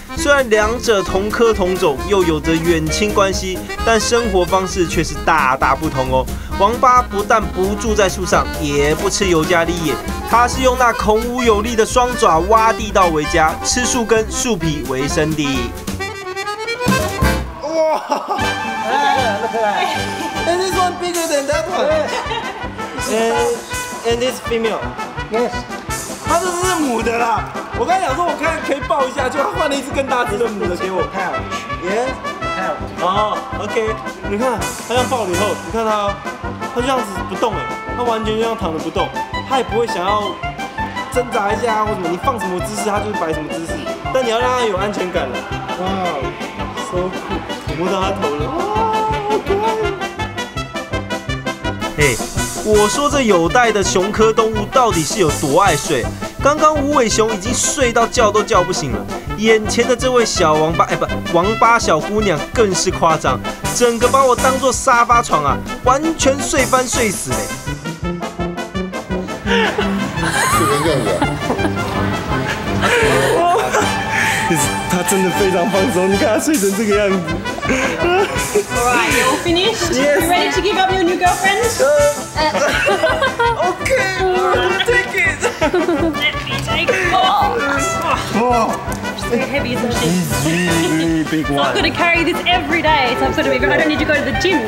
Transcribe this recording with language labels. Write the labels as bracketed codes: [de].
[zh] 虽然两者同科同种，又有着远亲关系，但生活方式却是大大不同哦。王八不但不住在树上，也不吃尤加利叶，它是用那孔武有力的双爪挖地道为家，吃树根、树皮为生的。哇！来 [en] ，This one bigger than that one. And this female. Yes. [zh] 它这是母的啦，我刚才想说我看可以抱一下，就它换了一只更大只的母的给我。 [en] Yes, [zh] OK， 你看它这样抱了以后，你看它，它就这样子不动哎，它完全就这样躺着不动，它也不会想要挣扎一下或什么，你放什么姿势它就是摆什么姿势，但你要让它有安全感了。 [en] 哇 ，so cool， [zh] 摸到它头了，哇，好可爱。 [en] Hey. [zh] 我说这有袋的熊科动物到底是有多爱睡？刚刚无尾熊已经睡到叫都叫不醒了，眼前的这位小王八，哎不，王八小姑娘更是夸张，整个把我当作沙发床啊，完全睡翻睡死嘞！睡成这样子，他真的非常放松，你看他睡成这个样子。 [en] Alright, you're all finished. Yes. You ready to give up your new girlfriend? Okay, I'm gonna take it. Let me take it. She's very heavy, isn't she? It's really, really big one. I've got to carry this every day, so I'm sort of, I don't need to go to the gym.